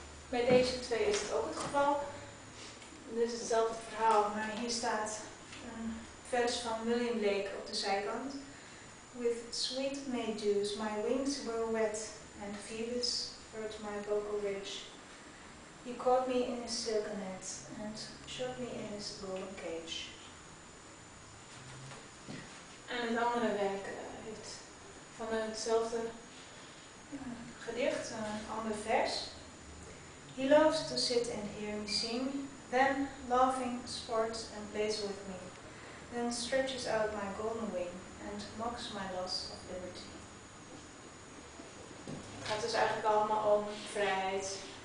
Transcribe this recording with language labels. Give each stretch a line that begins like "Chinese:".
Dutch: Bij deze twee is het ook het geval. Dit is hetzelfde verhaal, maar hier staat een vers van William Blake op de zijkant.
English: With sweet May juice, my wings were wet, and Phoebus hurt my vocal ridge. He caught me in his silken net, and shut me in his golden cage.
Dutch: En het andere werk heeft van hetzelfde gedicht, een ander vers.
English: He loves to sit and hear me sing, then laughing, sports and plays with me, then stretches out my golden wing and mocks my loss of liberty.
Dutch: Het gaat dus eigenlijk allemaal om vrijheid.